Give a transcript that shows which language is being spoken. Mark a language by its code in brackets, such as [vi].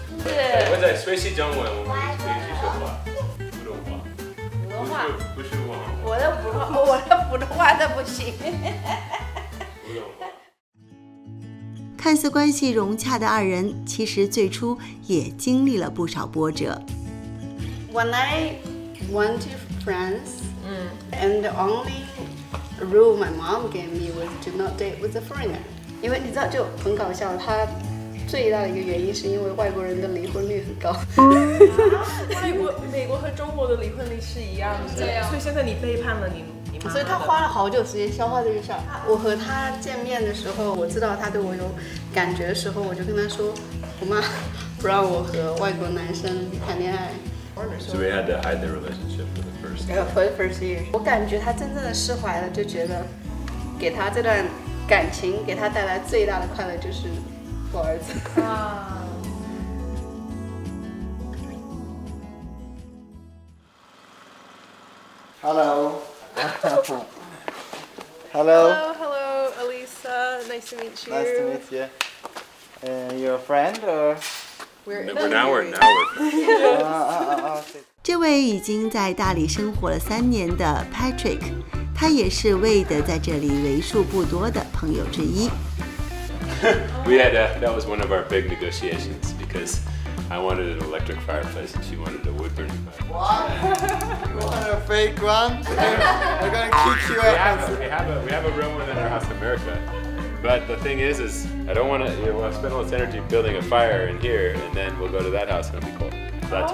[zh] 我在学习中文，我们可以去说话。普通话。我的普通话都不行。看似关系融洽的二人，其实最初也经历了不少波折。 [en] When I went to France, and the only rule my mom gave me was to not date with a foreigner. [zh] 因为你知道就很搞笑，他最大的一个原因是因为外国人的离婚率很高。美国和中国的离婚率是一样的，所以现在你背叛了你。所以他花了好久时间消化这个事儿。我和他见面的时候，我知道他对我有感觉的时候，我就跟他说，我妈不让我和外国男生谈恋爱。 [en] So we had to hide the relationship for the first year. [zh] 我感觉他真正的释怀了，就觉得给他这段感情给他带来最大的快乐就是我儿子。 [en] Hello. Hello. Hello, Elisa. Nice to meet you. Nice to meet you. You're a friend, or? We're now. [zh] 这位已经在大理生活了3年的 Patrick， 他也是魏德在这里为数不多的朋友之一。 [en] We had that was one of our big negotiations because I wanted an electric fireplace and she wanted a wood burning fireplace. Fake one. We're gonna kick you out. We have a real one in our house in America. But the thing is I don't want to, you know, spend all this energy building a fire in here and then we'll go to that house and it'll be cold.